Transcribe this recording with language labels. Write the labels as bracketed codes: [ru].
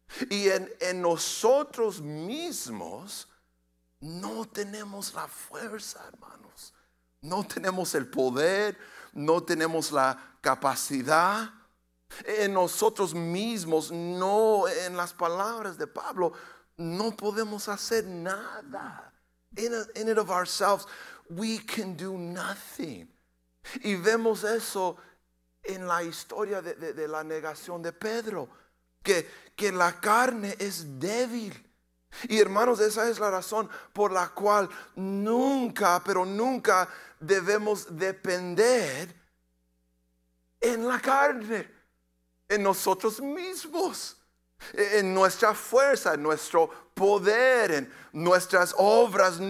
[es] Y en nosotros mismos no tenemos la fuerza, hermanos. No tenemos el poder, no tenemos la capacidad. En nosotros mismos, no, en las palabras de Pablo, no podemos hacer nada. [en] In and of ourselves, we can do nothing. [es] Y vemos eso en la historia de la negación de Pedro. Que la carne es débil. Y hermanos, esa es la razón por la cual nunca, pero nunca debemos depender en la carne, en nosotros mismos, en nuestra fuerza, en nuestro poder, en nuestras obras.